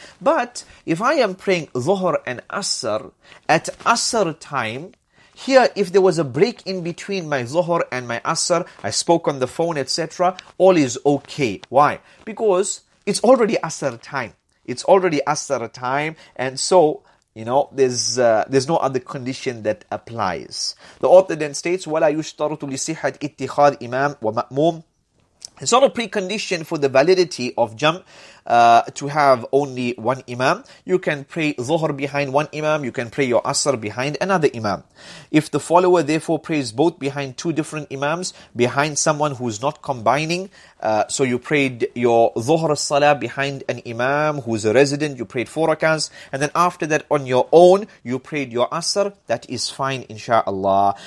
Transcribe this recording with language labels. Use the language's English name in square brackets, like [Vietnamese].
[English] But if I am praying Zuhr and Asr at Asr time, here, if there was a break in between my Zuhr and my Asr, I spoke on the phone, etc., all is okay. Why? Because it's already Asr time. It's already Asr time, and so, you know, there's no other condition that applies. The author then states, [Arabic] وَلَا يُشْتَرُطُ لِصِحَةِ اتِّخَاذِ إِمَامٍ وَمَأْمُومٍ. [English] It's not a precondition for the validity of jam' to have only one imam. You can pray Zuhr behind one imam, you can pray your Asr behind another imam. If the follower therefore prays both behind two different imams, behind someone who's not combining, so you prayed your Zuhr Salah behind an imam who's a resident, you prayed four rakahs, and then after that on your own, you prayed your Asr, that is fine, inshallah.